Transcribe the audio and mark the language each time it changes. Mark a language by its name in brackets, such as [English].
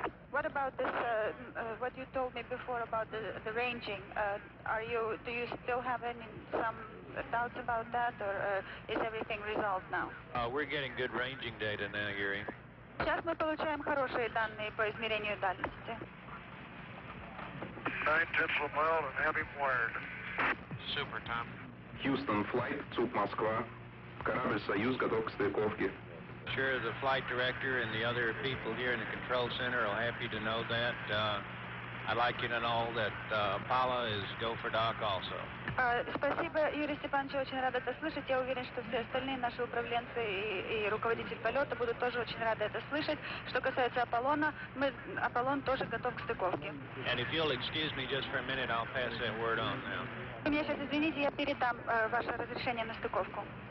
[English] What about this, what you told me before about the ranging? Do you still have some doubts about that, or is everything resolved now? We're getting good ranging data now, Yuri. [Russian] Сейчас мы получаем хорошие данные по измерению дальности. [English] 9 tenths of a mile and heavy wired. Super, Tom. Houston flight, ЦУП Москва. [Russian] Корабль «Союз» готов к стыковке. [English] Sure, the flight director and the other people here in the control center are happy to know that. I'd like you to know that Paula is go for dock also. [Russian] Спасибо, Юрий Степанович, очень рада это слышать. Я уверен, что все остальные наши управленцы и руководитель полета будут тоже очень рады это слышать. Что касается Аполлона, Аполлон тоже готов к стыковке. [English] And if you'll excuse me just for a minute, I'll pass that word on now. [Russian] Вы меня сейчас извините, я передам ваше разрешение на стыковку.